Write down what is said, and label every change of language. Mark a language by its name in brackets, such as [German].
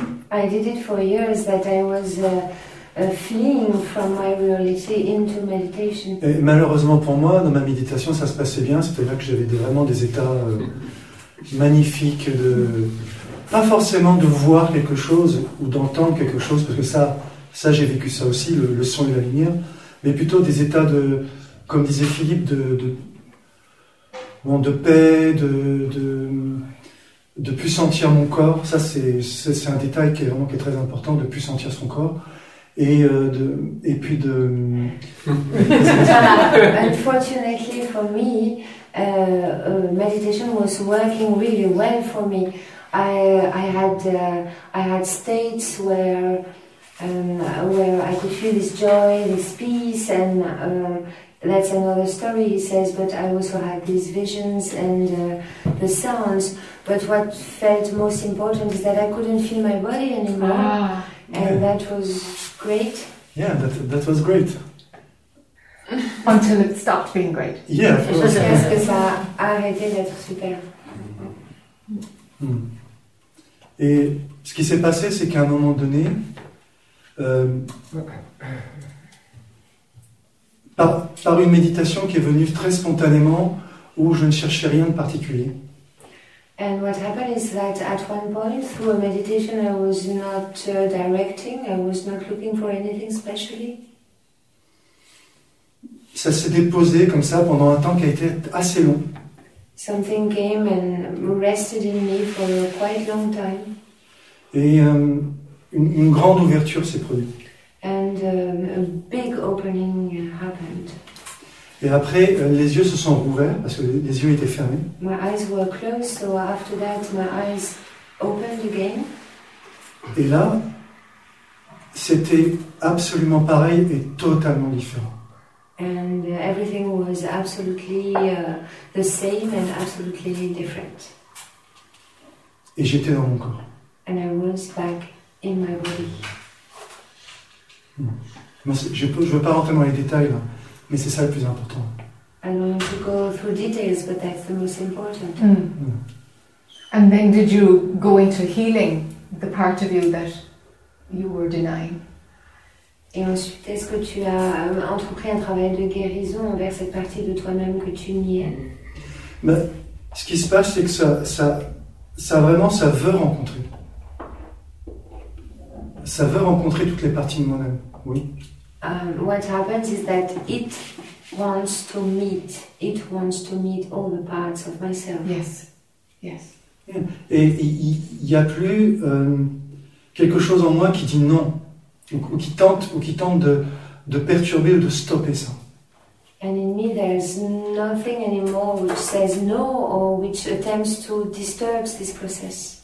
[English] I did it for years that I was fleeing from my reality into meditation. [French] Et malheureusement pour moi, dans ma méditation, ça se passait bien. C'était là que j'avais vraiment des états magnifiques de... Pas forcément de voir quelque chose ou d'entendre quelque chose, parce que ça j'ai vécu ça aussi, le son et la lumière, mais plutôt des états de, comme disait Philippe, de paix, de plus sentir mon corps. Ça, c'est un détail qui est très important, de plus sentir son corps. Et puis de... [English] Unfortunately for me, meditation was working really well for me. I had states where I could feel this joy, this peace, and that's another story, he says, but I also had these visions and the sounds. But what felt most important is that I couldn't feel my body anymore, That was great. Yeah, that was great. Until it stopped being great. Yeah, of course. [French] Parce que ça a arrêté d'être super. Et ce qui s'est passé, c'est qu'à un moment donné, par une méditation qui est venue très spontanément, où je ne cherchais rien de particulier. [English] And what happened is that at one point, through a meditation, I was not directing, I was not looking for anything specially. [French] Ça s'est déposé comme ça pendant un temps qui a été assez long. [English] Something came and rested in me for a quite long time. [French] Et une grande ouverture s'est produite. [English] And a big opening happened. [French] Et après, les yeux se sont rouverts parce que les yeux étaient fermés. [English] My eyes were closed, so after that, my eyes opened again. [French] Et là, c'était absolument pareil et totalement différent. [English] And everything was absolutely the same and absolutely different. [French] Et j'étais dans mon corps. [English] And I was back in my body. [French] Je veux pas rentrer dans les détails, mais c'est ça le plus important. [English] I don't want to go through details, but that's the most important. And then did you go into healing the part of you that you were denying? [French] Et ensuite, est-ce que tu as entrepris un travail de guérison envers cette partie de toi-même que tu niais? Mais ce qui se passe, c'est que ça veut rencontrer. Ça veut rencontrer toutes les parties de moi-même, oui. [English] What happens is that it wants to meet all the parts of myself. Yes, yes. [French] Et il n'y a plus quelque chose en moi qui dit non, ou qui tente de perturber ou de stopper ça. [English] And in me there's nothing anymore which says no or which attempts to disturb this process.